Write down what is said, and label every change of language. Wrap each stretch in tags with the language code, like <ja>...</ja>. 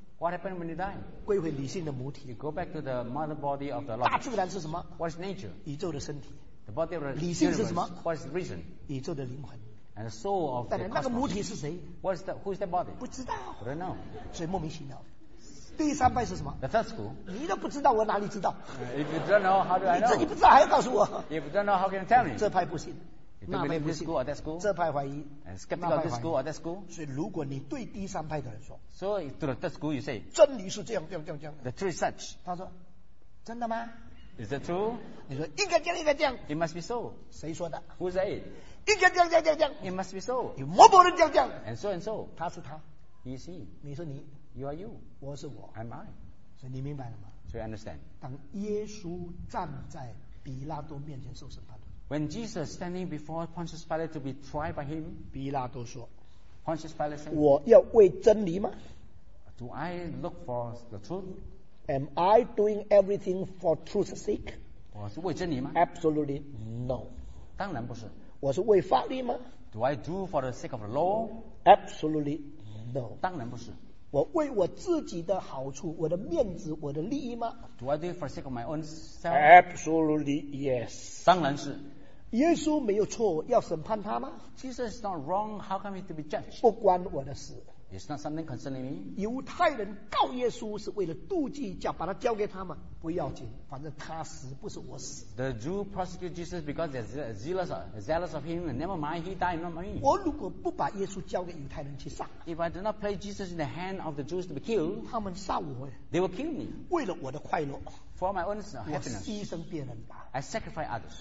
<en>What happened when you die?</en> <zh>归回理性的母体。</zh> <en>You go back to the mother body of the law.</en> <zh>大自然是什么？</zh> <en>What's nature?</en> <zh>宇宙的身体。</zh> <en>The body of the universe.</en> <zh>理性是什么？</zh> <en>What's reason?</en> <zh>宇宙的灵魂。</zh> <en>And the soul of the cosmos.</en> <zh>那个母体是谁？</zh> <en>What's that? Who's that body?</en> <zh>不知道。</zh> <en>I don't know.</en> <zh>所以莫名其妙。第三派是什么？</zh> <en>The third school.</en> <zh>你都不知道，我哪里知道？</zh> <en>If you don't know, how do I know?</en> <zh>你自己不知道还要告诉我？</zh> <en>If you don't know, how can you tell me?</en> <zh>这派不信。那派不信</zh> <en>or that school?</en> <zh>这派怀疑</zh> <en>and skeptical this school or that school?</en> <zh>所以如果你对第三派的人说</zh> <en>So to the third school you say</en> <zh>真理是这样</zh> <en>The truth is such</en> <zh>他说真的吗</zh> <en>Is that true?</en> <zh>你说应该这样</zh> <en>It must be so</en> <zh>谁说的</zh> <en>Who said it?</en> <zh>应该这样</zh> <en>It must be so</en> <zh>有某某人这样</zh> <en>And so</en> <zh>他是他</zh> <en>He is he</en> <zh>你说你</zh> <en>You are you</en> <zh>我是我</zh> <en>I'm I</en> <zh>所以你明白了吗</zh> <en>So you understand</en> <zh>当耶稣站在比拉多面前受审判</zh> <en>When Jesus standing before Pontius Pilate to be tried by him,</en> <zh>比拉多说</zh> <en>Pontius Pilate said,</en> <zh>我要为真理吗</zh> <en>Do I look for the truth? Am I doing everything for truth's sake?</en> <zh>我是为真理吗</zh> <en>Absolutely no.</en> <zh>当然不是我是为法律吗</zh> <en>Do I do for the sake of the law? Absolutely no.</en> <zh>当然不是我为我自己的好处我的面子我的利益吗</zh> <en>Do I do for sake of my own self? Absolutely yes</en> <zh>当然是耶稣没有错要审判他吗</zh> <en>Jesus is not wrong how come he to be judged</en> <zh>不关我的事</zh> <en>It's not something concerning me</en> <zh>犹太人告耶稣是为了妒忌叫把他交给他们不要紧反正他死不是我死</zh> <en>The Jew prosecute Jesus because they're zealous of him never mind he died not me</en> <zh>我如果不把耶稣交给犹太人去杀</zh> <en>If I do not place Jesus in the hand of the Jews to be killed</en> <zh>他们杀我</zh> <en>They will kill me</en> <zh>为了我的快乐</zh> <en>For my own happiness</en> <zh>我牺牲别人吧</zh> <en>I sacrifice others</en>